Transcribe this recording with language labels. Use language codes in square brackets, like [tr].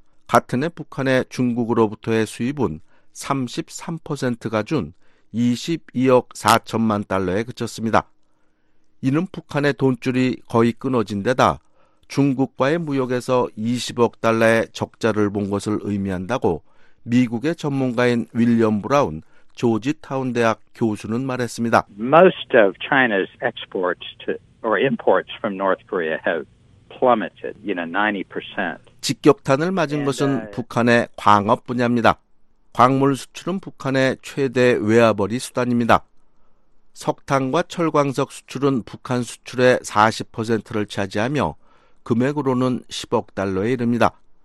[ko] 같은 해 북한의 중국으로부터의 수입은 33%가 준 22억 4천만 달러에 그쳤습니다. 이는 북한의 돈줄이 거의 끊어진 데다 중국과의 무역에서 20억 달러의 적자를 본 것을 의미한다고 미국의 전문가인 윌리엄 브라운 조지타운 대학 교수는 말했습니다. [en] Most of China's exports to or imports from North Korea have plummeted, you know, 90%. [ko] 직격탄을 맞은 것은 북한의 광업 분야입니다. 광물 수출은 북한의 최대 외화벌이 수단입니다. 석탄과 철광석 수출은 북한 수출의 40%를 차지하며 금액으로는 10억 달러에 이릅니다.